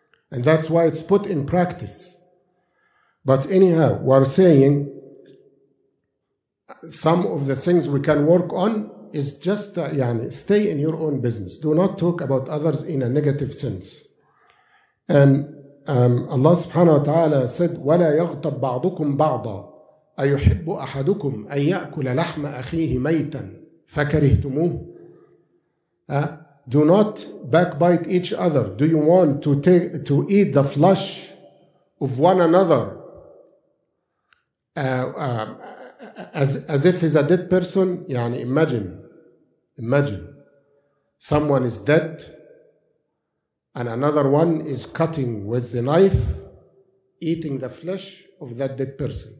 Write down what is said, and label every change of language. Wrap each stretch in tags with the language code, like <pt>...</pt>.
<en>And that's why it's put in practice. But anyhow, we're saying some of the things we can work on is just stay in your own business. Do not talk about others in a negative sense. And Allah subhanahu wa ta'ala said,</en> <ar>وَلَا يَغْتَبْ بَعْضُكُمْ بَعْضًا أَيُحِبُّ أَحَدُكُمْ أَنْ يَأْكُلَ لَحْمَ أَخِيهِ مَيْتًا فَكَرِهْتُمُوهُ.</ar> <en>Do not backbite each other. Do you want to eat the flesh of one another as if he's a dead person? Imagine someone is dead and another one is cutting with the knife, eating the flesh of that dead person.</en>